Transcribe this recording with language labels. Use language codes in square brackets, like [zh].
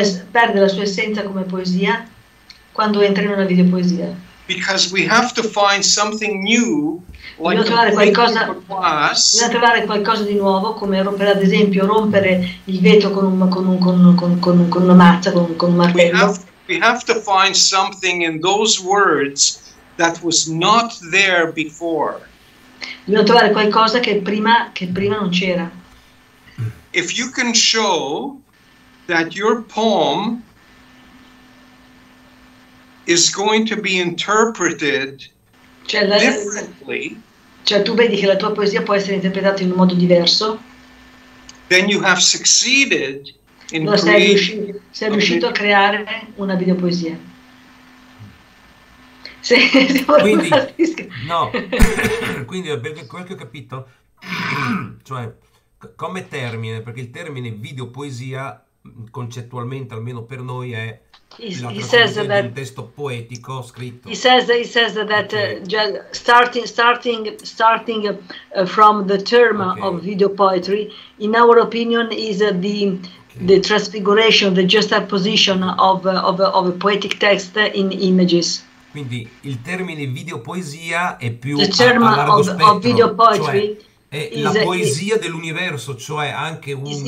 [it] Perde la sua essenza come poesia quando entra in una videopoesia. [en] Because we have to find something new, like [it] trovare qualcosa di nuovo, come rompere, ad esempio, rompere il vetro con una mazza, con un martello. [en] We have to find something in those words that was not there before. [it] Dobbiamo trovare qualcosa che prima non c'era. [en] If you can show that your poem is going to be interpreted differently. [it] Cioè, tu vedi che la tua poesia può essere interpretata in un modo diverso. [en] Then you have succeeded in [it] sei riuscito a creare una videopoesia. Quindi, no. Quindi, ho capito. Cioè, come termine, perché il termine videopoesia, concettualmente, almeno per noi, è un testo poetico scritto. [en] He says that starting from the term of video poetry, in our opinion, is the transfiguration, the juxtaposition of a poetic text in images. [it] Quindi il termine video poesia è più [en] the term [it] a largo spettro, [en] of video poetry, [it] cioè è la poesia dell'universo, cioè anche un